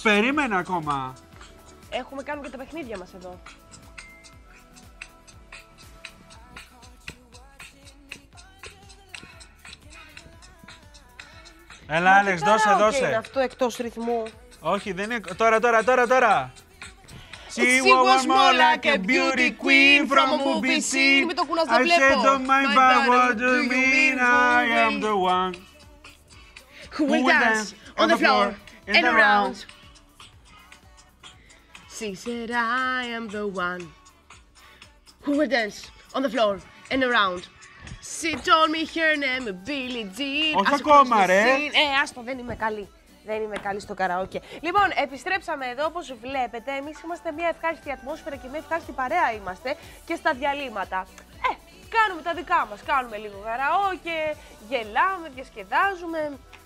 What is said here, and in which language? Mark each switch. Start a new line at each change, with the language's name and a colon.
Greek: Περίμενα ακόμα. Έχουμε κάνει και τα παιχνίδια μας εδώ. Έλα, Άλεξ, δώσε, δώσε. Είναι αυτό εκτός ρυθμού. Όχι, δεν είναι... Τώρα!
English: She was more like a beauty queen from a movie scene.
Greek: Μην το κουνάς, δεν βλέπω.
English: I said, don't mind but what do you mean, I am the one. Who will dance on the floor and around. She said, I am the one. Who will dance on the floor and around. She told me her name, Billie Jean.
Greek: Όχι ακόμα, ρε. Άστο, δεν είμαι καλή. Δεν είμαι καλή στο καραόκε. Λοιπόν, επιστρέψαμε εδώ, όπως βλέπετε. Εμείς είμαστε μια ευχάριστη ατμόσφαιρα και μια ευχάριστη παρέα είμαστε. Και στα διαλύματα. Κάνουμε τα δικά μας. Κάνουμε λίγο καραόκε. Γελάμε, διασκεδάζουμε.